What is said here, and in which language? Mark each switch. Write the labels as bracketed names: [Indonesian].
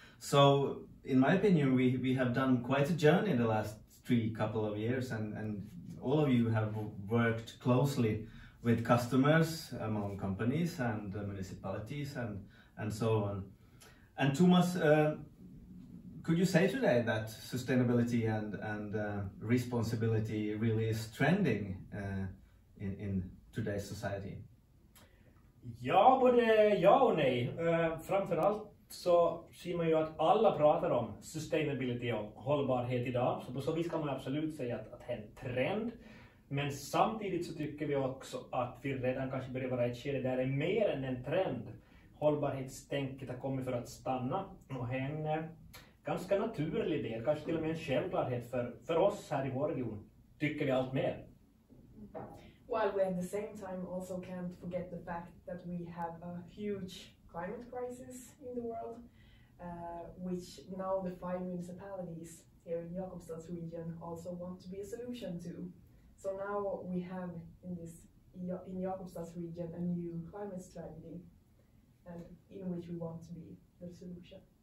[English] So in my opinion, we have done quite a journey in the last couple of years, and all of you have worked closely with customers, among companies and municipalities and so on. And Thomas, could you say today that sustainability and responsibility really is trending in today's society? [Swedish] Ja, både ja och nej. Framför allt så ser man ju att alla pratar om sustainability och hållbarhet idag. Så på så vis kan man absolut säga att det är en trend. Men samtidigt så tycker vi också att vi redan kanske börjar vara i ett skede där det är mer än en trend. Hållbarhetstänket har kommit för att stanna och hänger. Ganska naturlig del, kanske till och med en självklarhet för oss här i vår region, tycker vi allt mer. [English] While we at the same time also can't forget the fact that we have a huge climate crisis in the world, which now the five municipalities here in Jakobstad's region also want to be a solution to. So now we have in Jakobstad's region a new climate strategy, and in which we want to be the solution.